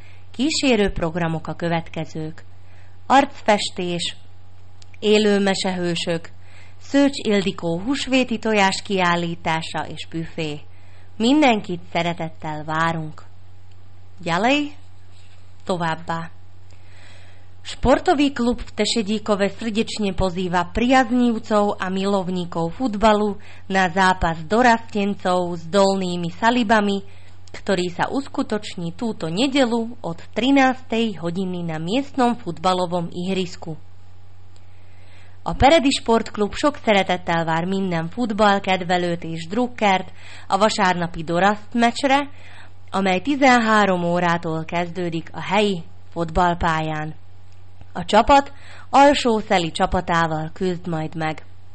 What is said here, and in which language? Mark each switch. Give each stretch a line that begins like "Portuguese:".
Hungarian: Kísérő programok a következők. Arcfestés, élő mesehősök, Szőcs Ildikó húsvéti tojás kiállítása és büfé. Mindenkit szeretettel várunk.
Slovak: Ďalej,
Hungarian: továbbá.
Slovak: Sportový klub v Tešedíkove srdečne pozýva priaznívcov a milovníkov futbalu na zápas dorastencov s Dolnými Salibami, ktorý sa uskutoční túto nedelu od 13. hodiny na miestnom futbalovom ihrisku.
Hungarian: A Peredi Sportklub sok szeretettel vár minden futballkedvelőt és drukkert a vasárnapi Doraszt meccsre, amely 13 órától kezdődik a helyi futballpályán. A csapat Alsószeli csapatával küzd majd meg.